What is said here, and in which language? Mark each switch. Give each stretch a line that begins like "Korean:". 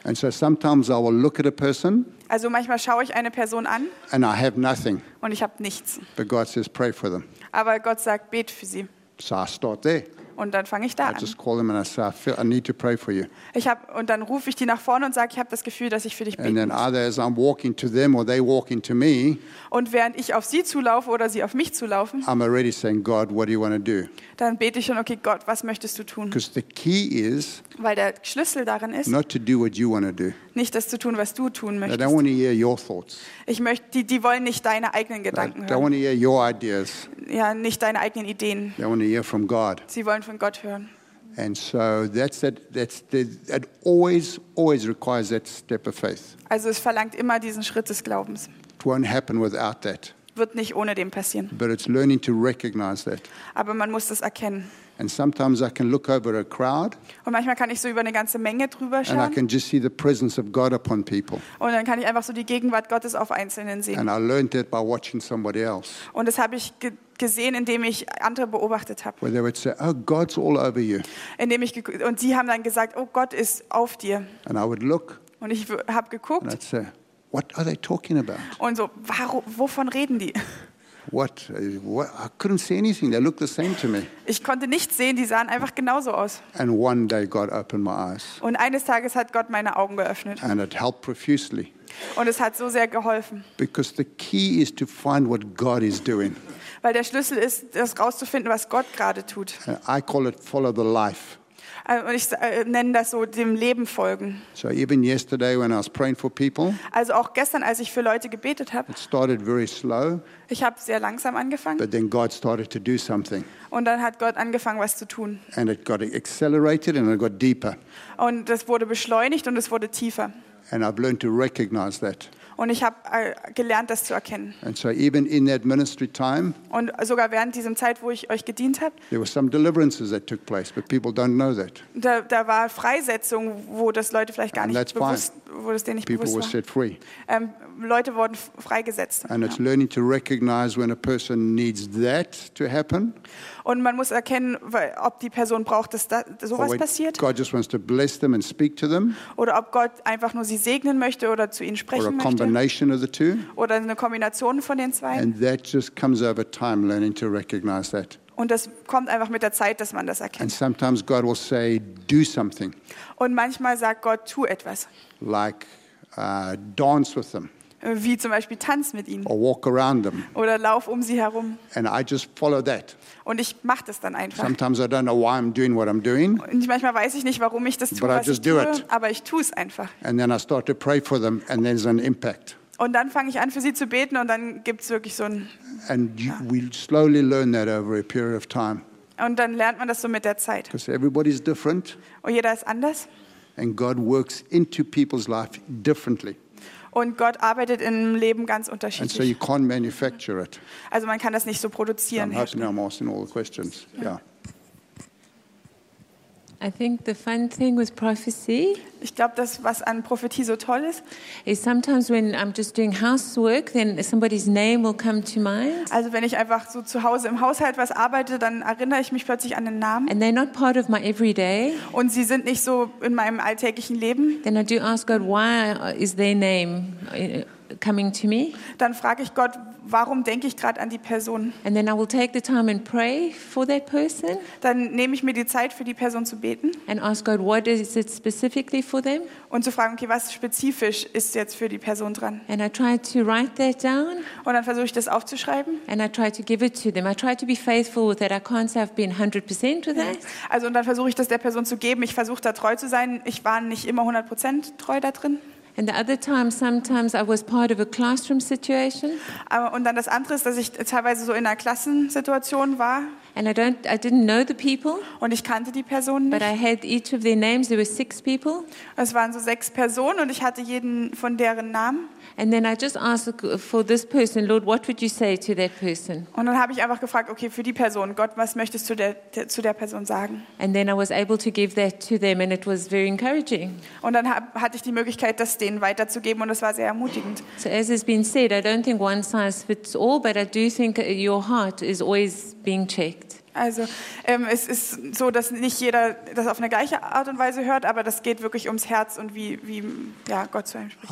English: And so sometimes I will look at a person,
German: also manchmal schaue ich eine Person an,
English: and I have nothing,
German: und ich habe nichts.
English: But God says, pray for them.
German: Aber Gott sagt, bet für sie.
English: So I start there.
German: und dann fange ich da an.
English: I just call them and I say, I need to pray for you.
German: Und dann rufe ich die nach vorne und sage, ich habe das Gefühl, dass ich für dich bete.
English: And then either as I'm walking to them or they walk into me.
German: Und während ich auf sie zulaufe oder sie auf mich zulaufen.
English: I'm already saying, God, what do you want to do?
German: Dann bete ich schon, okay, Gott, was möchtest du tun?
English: Because the key is.
German: Weil der Schlüssel darin ist.
English: Not to do what you want to do.
German: Nicht das zu tun, was du tun möchtest.
English: They don't want to hear your thoughts.
German: Ich möchte, die wollen nicht deine eigenen Gedanken hören.
English: They don't want to hear your ideas.
German: Ja, nicht deine eigenen Ideen.
English: They want to hear from God.
German: Sie wollen von Gott hören.
English: And so that's that. That always requires that step of faith.
German: Also es verlangt immer diesen Schritt des Glaubens.
English: It won't happen without that.
German: Wird nicht ohne dem passieren.
English: But it's learning to recognize that.
German: Aber man muss das erkennen.
English: And sometimes I can look over a crowd.
German: Und manchmal kann ich so über eine ganze Menge drüber schauen.
English: And I can just see the presence of God upon people.
German: Und dann kann ich einfach so die Gegenwart Gottes auf Einzelnen sehen.
English: And I learned that by watching somebody else.
German: Und das habe ich gesehen, indem ich andere beobachtet habe.
English: Where they would say, "Oh, God's all over you."
German: Indem ich und sie haben dann gesagt, "Oh, Gott ist auf dir."
English: And I would look.
German: Und ich habe geguckt.
English: And I'd say, "What are they talking about?"
German: Und so, wovon reden die?
English: What? I couldn't see anything. They looked the same to me.
German: Ich konnte nichts sehen. Die sahen einfach genauso aus.
English: And one day God opened my eyes.
German: Und eines Tages hat Gott meine Augen geöffnet.
English: And it helped profusely.
German: Und es hat so sehr geholfen.
English: Because the key is to find what God is doing.
German: Weil der Schlüssel ist, das rauszufinden, was Gott gerade tut.
English: I call it follow the life.
German: Und ich nenne das so dem Leben folgen.
English: So even yesterday when I was praying for people.
German: Also auch gestern, als ich für Leute gebetet habe.
English: It started very slow.
German: Ich habe sehr langsam angefangen.
English: But then God started to do something.
German: Und dann hat Gott angefangen, was zu tun.
English: And it got accelerated and it got deeper.
German: Und das wurde beschleunigt und es wurde tiefer.
English: And I've learned to recognize that.
German: Und ich habe gelernt, das zu erkennen.
English: And so even in that ministry time,
German: und sogar während diesem Zeit, wo ich euch gedient habe,
English: there were some deliverances that took place, but people don't know that.
German: Da war Freisetzung, wo das Leute vielleicht gar nicht bewusst, wo das denen nicht
English: people
German: bewusst
English: were
German: war.
English: Free.
German: Leute wurden freigesetzt.
English: And it's learning to recognize when a person needs that to happen.
German: Und man muss erkennen, ob die Person braucht, dass sowas passiert.
English: God just wants to bless them and speak to them.
German: Oder ob Gott einfach nur sie segnen möchte oder zu ihnen sprechen möchte.
English: Combination of the two.
German: Oder eine Kombination von den zwei.
English: And that just comes over time, learning to recognize that.
German: Und das kommt einfach mit der Zeit, dass man das erkennt.
English: And sometimes God will say, do something.
German: Und manchmal sagt Gott, tu etwas.
English: Like dance with them.
German: Wie zum Beispiel tanz mit ihnen.
English: Or walk around them.
German: Oder lauf um sie herum.
English: And I just follow that.
German: Und ich mache das dann einfach.
English: Sometimes I don't know why I'm doing what I'm doing.
German: Und manchmal weiß ich nicht, warum ich das tue,
English: but
German: was
English: I just
German: ich tue,
English: do it.
German: Aber ich tue es einfach.
English: And then I start to pray for them and there's an impact.
German: Und dann fange ich an, für sie zu beten und dann gibt es wirklich so ein...
English: And we slowly learn that over a period of time.
German: Und dann lernt man das so mit der Zeit.
English: Because everybody's different.
German: Und jeder ist anders.
English: And God works into people's life differently.
German: Und Gott arbeitet im Leben ganz unterschiedlich.
English: And so you can't manufacture it.
German: Also man kann das nicht so produzieren.
English: So I'm asking all the questions. Yeah. I think the fun thing with prophecy.
German: Ich glaube, das was an Prophetie so toll ist.
English: Is sometimes when I'm just doing housework, then somebody's name will come to mind.
German: Also wenn ich einfach so zu Hause im Haushalt was arbeite, dann erinnere ich mich plötzlich an den Namen.
English: And they're not part of my everyday.
German: Und sie sind nicht so in meinem alltäglichen Leben.
English: Then I do ask God, why is their name coming to me?
German: Dann frage ich Gott, warum denke ich gerade an die Person?
English: And then I will take the time and pray for that person.
German: Dann nehme ich mir die Zeit für die Person zu beten.
English: And ask God, what is it specifically for them?
German: Und zu fragen, okay, was spezifisch ist jetzt für die Person dran?
English: And I try to write that down.
German: Und dann versuche ich das aufzuschreiben.
English: And I try to give it to them. I try to be faithful with that. I can't say I've been 100% with that.
German: Also und dann versuche ich das der Person zu geben. Ich versuche da treu zu sein. Ich war nicht immer 100% treu da drin.
English: And the other time, sometimes I was part of a classroom situation.
German: Und dann das andere ist, dass ich teilweise so in einer Klassensituation war.
English: And I didn't know the people.
German: Und ich kannte die Personen nicht.
English: But I had each of their names. There were 6 people.
German: Es waren so 6 Personen und ich hatte jeden von deren Namen.
English: And then I just asked for this person, Lord, what would you say to that person?
German: Und dann habe ich einfach gefragt, okay, für die Person, Gott, was möchtest du zu der Person sagen?
English: And then I was able to give that to them and it was very encouraging.
German: Und dann hatte ich die Möglichkeit, das denen weiterzugeben und es war sehr ermutigend.
English: So as has been said, I don't think one size fits all, but I do think your heart is always being checked.
German: Also es ist so, dass nicht jeder das auf eine gleiche Art und Weise hört, aber das geht wirklich ums Herz und wie ja, Gott zu einem spricht.